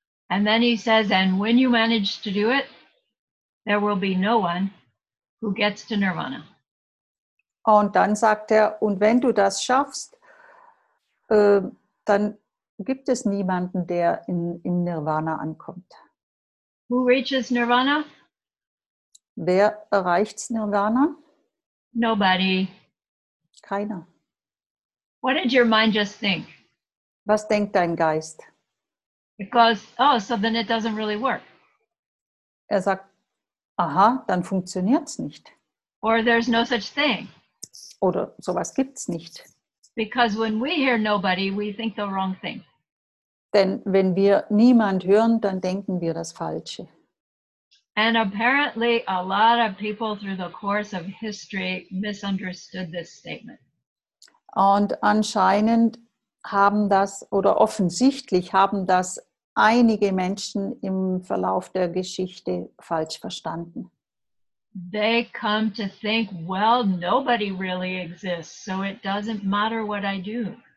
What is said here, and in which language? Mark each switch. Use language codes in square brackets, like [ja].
[en] And then he says, and when you manage to do it, there will be no one who gets to Nirvana. [de] Und dann sagt er, und wenn du das schaffst, dann gibt es niemanden, der in Nirvana ankommt. [en] Who reaches Nirvana? [de] Wer erreicht Nirvana? [en] Nobody. [de] Keiner. [en] What did your mind just think? [de] Was denkt dein Geist? [en] Because, oh, so then it doesn't really work. [de] Er sagt, aha, dann funktioniert's nicht. [en] Or there's no such thing. [de] Oder sowas gibt's nicht. [en] Because when we hear nobody, we think the wrong thing. [de] Denn wenn wir niemand hören, dann denken wir das Falsche. [en] And apparently a lot of people through the course of history misunderstood this statement. [de] Und anscheinend haben das, oder offensichtlich haben das einige Menschen im Verlauf der Geschichte falsch verstanden. [en] They come to think, well, nobody really exists, so it doesn't matter what I do.